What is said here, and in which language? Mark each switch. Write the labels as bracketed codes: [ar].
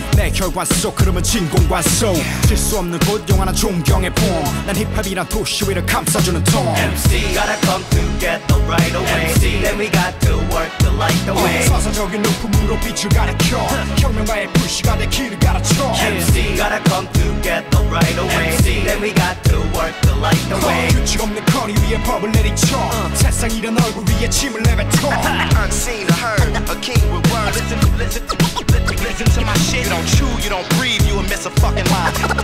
[ko] 내 혈관 속 흐름은 진공관 속. 질 수 없는 곳 영원한 존경의 봄. 난 힙합이란 도시 위를 감싸주는 톤. [en] MC gotta come together right away. MC, then we got to work. strip the light away. [ko] 서서적인 높음으로 빛을 가르켜 혁명가의 불씨가 내 길을 가르쳐. [en] MC gotta come together right away. MC then we got to work the light away. [ko] 규칙 없는 거리 위에 법을 내리쳐 세상 이런 얼굴 위에 침을 내뱉어. [en] Unseen or heard, a king with words. Listen to my shit. You don't chew, you don't breathe, you'll miss a fucking line.